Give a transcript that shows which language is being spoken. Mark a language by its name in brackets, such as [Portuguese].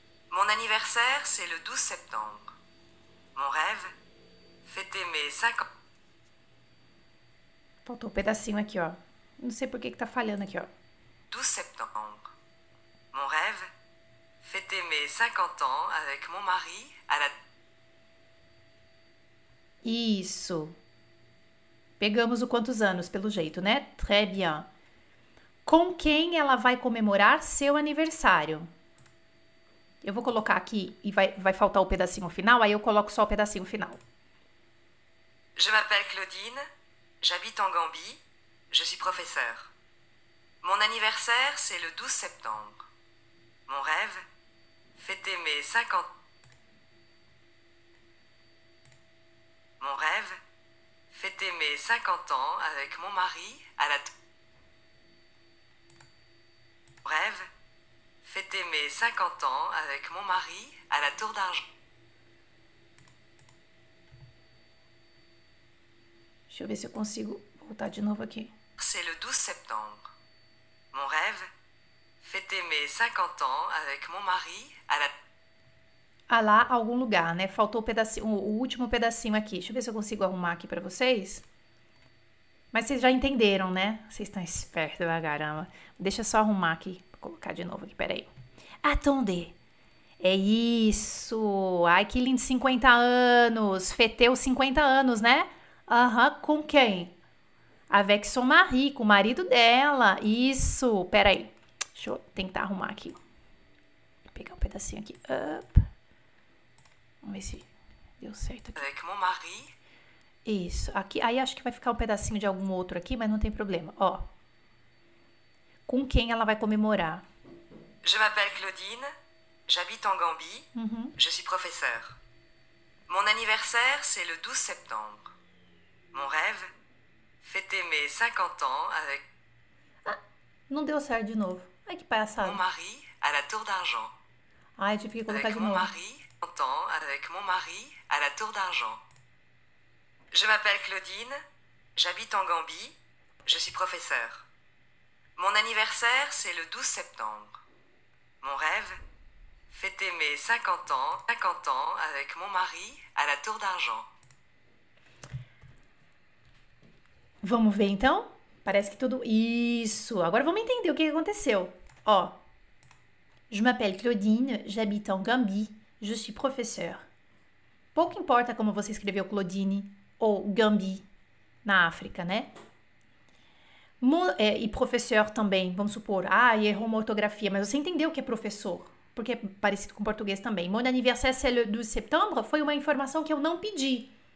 [French] Mon anniversaire, c'est le 12 septembre. Mon rêve, fêter mes 50 ans. [Portuguese] Faltou um pedacinho aqui, ó. Não sei por que que tá falhando aqui, ó. [French] 12 septembre. Mon rêve, fêter mes 50 ans avec mon mari à la. [Portuguese] Isso. Pegamos o quantos anos, pelo jeito, né? [French] Très bien. [Portuguese] Com quem ela vai comemorar seu aniversário? Eu vou colocar aqui e vai faltar o pedacinho final, aí eu coloco só o pedacinho final. [French] Je m'appelle Claudine, j'habite en Gambie, je suis professeur. Mon anniversaire, c'est le 12 septembre. Mon rêve, fêter mes 50. Mon rêve, fêter mes 50 ans avec mon mari à la. Mon rêve, fêter mes 50 ans avec mon mari à la Tour d'Argent. [Portuguese] Deixa eu ver se eu consigo voltar de novo aqui. [French] C'est le 12 septembre. Mon rêve, fêter mes 50 ans avec mon mari à la... [Portuguese] Ah lá, algum lugar, né? Faltou o pedacinho, o último pedacinho aqui. Deixa eu ver se eu consigo arrumar aqui pra vocês. Mas vocês já entenderam, né? Vocês estão espertos pra caramba. Deixa eu só arrumar aqui. Vou colocar de novo aqui, peraí. [French] Attendez. [Portuguese] É isso. Ai, que lindo. 50 anos. Feteu 50 anos, né? Aham, com quem? [French] Avec son mari, [Portuguese] com o marido dela. Isso. Peraí. Deixa eu tentar arrumar aqui. Vou pegar um pedacinho aqui. Up. Vamos ver se deu certo aqui. [French] Avec mon mari. [Portuguese] Isso, aqui, aí acho que vai ficar um pedacinho de algum outro aqui, mas não tem problema, ó. Com quem ela vai comemorar? [French] Je m'appelle Claudine, j'habite en Gambie, je suis professeur. Mon anniversaire, c'est le 12 septembre. Mon rêve, fêter mes 50 ans avec... [Portuguese] Ah, não deu certo de novo. Ai, que palhaçada. [French] Mon mari, à la Tour d'Argent. [Portuguese] Ai, tive que colocar [French] avec [Portuguese] de novo. [French] Mon mari, 50 ans avec mon mari, à la Tour d'Argent. Je m'appelle Claudine, j'habite en Gambie, je suis professeure. Mon anniversaire, c'est le 12 septembre. Mon rêve, fêter mes 50 ans avec mon mari à la Tour d'Argent. [Portuguese] Vamos ver então? Parece que tudo... Isso! Agora vamos entender o que aconteceu. [French] Ó, je m'appelle Claudine, j'habite en Gambie, je suis professeure. [Portuguese] Pouco importa como você escreveu Claudine... ou Gambi, na África, né? E professor também, vamos supor. Ah, errou uma ortografia, mas você entendeu o que é professor? Porque é parecido com português também. [French] Mon anniversaire, c'est le 12 septembre, [Portuguese] foi uma informação que eu não pedi.